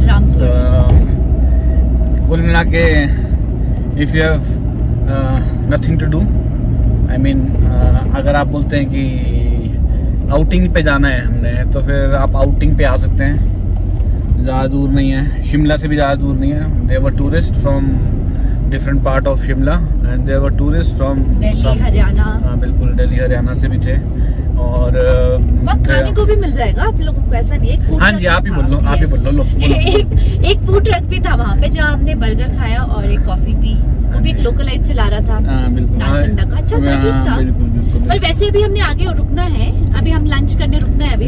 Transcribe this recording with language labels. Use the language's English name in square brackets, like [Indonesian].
[Hindi] रामपुर। कुल मिला के [English] if you have nothing to do, I mean [Hindi] अगर आप बोलते हैं कि आउटिंग पे जाना है हमने, तो फिर आप आउटिंग पे आ सकते हैं, ज़्यादा दूर नहीं है, शिमला से भी ज़्यादा दूर नहीं है। [English] there were tourist from different part of Shimla and there were tourists from Delhi, Haryana, [Hindi] हाँ बिल्कुल, Delhi, Haryana से भी थे, और खाने को भी मिल जाएगा आप लोगों को, ऐसा नहीं है, हाँ जी, आप ही बोल लो, आप ही बोल लो, एक food truck भी था वहाँ पे जहाँ हमने burger खाया और एक coffee पी, वो भी एक localite चला रहा था, हाँ बिल्कुल, नारकंडा का, अच्छा था, ठीक था, पर वैसे अभी हमने आगे रुकना है, अभी हम लंच करने रुकना है, अभी